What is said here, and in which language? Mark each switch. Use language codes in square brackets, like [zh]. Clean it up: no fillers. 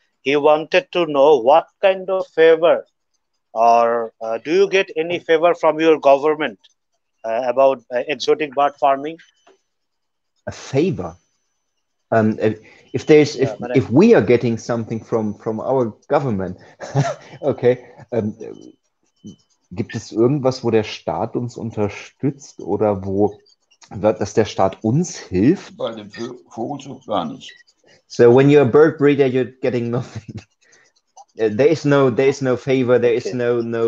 [en] He wanted to know what kind of favor, or do you get any favor from your government about exotic bird farming? A favor? If we are getting something from our government, okay. [de] Gibt es irgendwas, wo der Staat uns unterstützt oder wo dass der Staat uns hilft? Bei dem Vogelzug gar nicht. [en] So when you're a bird breeder, you're getting nothing. There is no favor. There is no.